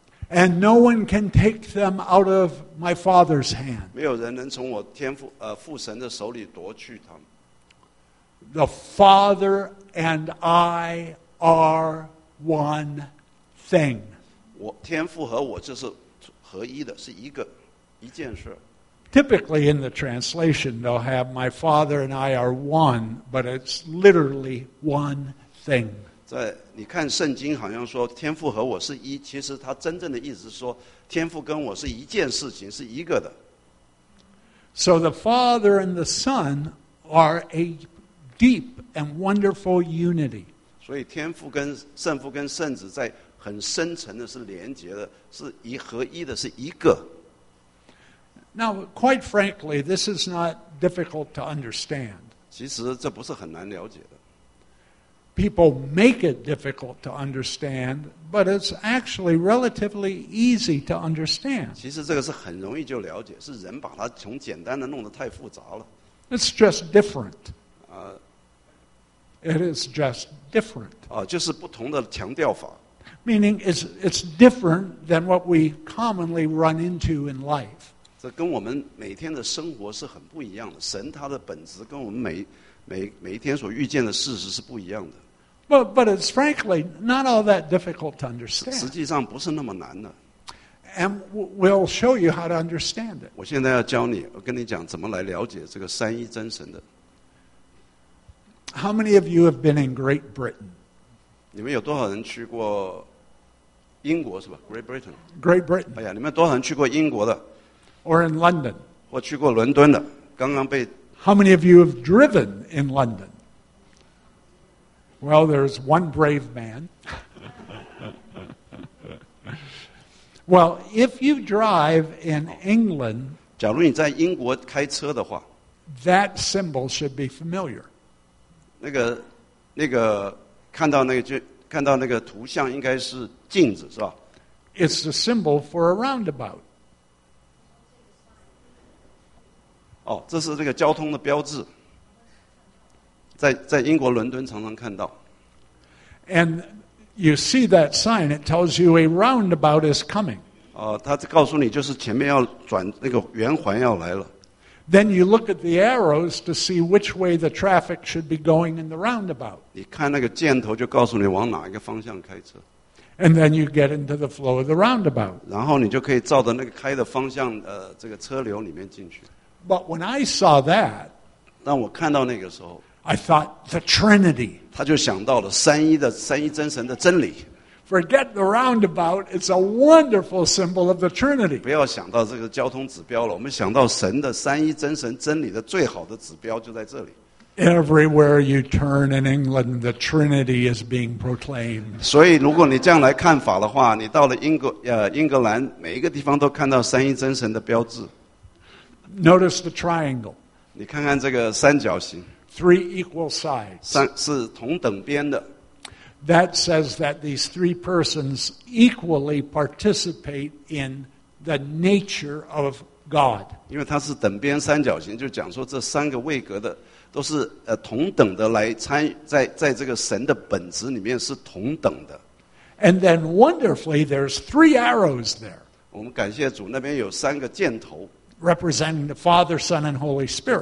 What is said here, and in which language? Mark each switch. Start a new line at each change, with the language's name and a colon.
English: And no one can take them out of my Father's hand.
Chinese: 没有人能从我天父父神的手里夺去他们。
English: The Father and I are one thing.
Chinese: 我天父和我就是合一的，是一个一件事。
English: Typically in the translation they'll have my Father and I are one, but it's literally one thing.
Chinese: 在你看圣经好像说天父和我是一，其实他真正的意思是说天父跟我是一件事情，是一个的。
English: So the Father and the Son are a deep and wonderful unity.
Chinese: 所以天父跟圣父跟圣子在很深层的是连结的，是一合一的，是一个。
English: Now, quite frankly, this is not difficult to understand.
Chinese: 其实这不是很难了解的。
English: People make it difficult to understand, but it's actually relatively easy to understand.
Chinese: 其实这个是很容易就了解，是人把它从简单的弄得太复杂了。
English: It's just different. It is just different.
Chinese: 就是不同的强调法。
English: Meaning it's different than what we commonly run into in life.
Chinese: 这跟我们每天的生活是很不一样的，神他的本质跟我们每一天所遇见的事实是不一样的。
English: But it's frankly not all that difficult to understand.
Chinese: 实际上不是那么难的。
English: And we'll show you how to understand it.
Chinese: 我现在要教你，我跟你讲怎么来了解这个三一真神的。
English: How many of you have been in Great Britain?
Chinese: 你们有多少人去过英国是吧 ？Great Britain.
English: Great Britain.
Chinese: 哎呀，你们多少人去过英国的
English: ？Or in London.
Chinese: 或去过伦敦的，刚刚被。
English: How many of you have driven in London? Well, there's one brave man. Well, if you drive in England,
Chinese: 假如你在英国开车的话
English: that symbol should be familiar.
Chinese: 那个那个看到那个就看到那个图像应该是镜子是吧
English: It's a symbol for a roundabout.
Chinese: 哦，这是这个交通的标志，在英国伦敦常常看到。
English: And you see that sign, it tells you a roundabout is coming.
Chinese: 哦，它告诉你就是前面要转那个圆环要来了。
English: Then you look at the arrows to see which way the traffic should be going in the roundabout.
Chinese: 你看那个箭头就告诉你往哪一个方向开车。
English: And then you get into the flow of the roundabout.
Chinese: 然后你就可以照着那个开的方向，这个车流里面进去。
English: But when I saw that,
Chinese: 当我看到那个时候
English: I thought the Trinity.
Chinese: 他就想到了三一真神的真理。
English: Forget the roundabout, it's a wonderful symbol of the Trinity.
Chinese: 不要想到这个交通指标了，我们想到神的三一真神真理的最好的指标就在这里。
English: Everywhere you turn in England, the Trinity is being proclaimed.
Chinese: 所以如果你这样来看法的话，你到了英格兰，每一个地方都看到三一真神的标志。
English: Notice the triangle.
Chinese: 你看看这个三角形。
English: Three equal sides.
Chinese: 是同等边的。
English: That says that these three persons equally participate in the nature of God.
Chinese: 因为它是等边三角形，就讲说这三个位格的都是同等的来参与，在这个神的本质里面是同等的。
English: And then wonderfully, there's three arrows there.
Chinese: 我们感谢主，那边有三个箭头
English: ，representing the Father, Son, and Holy Spirit.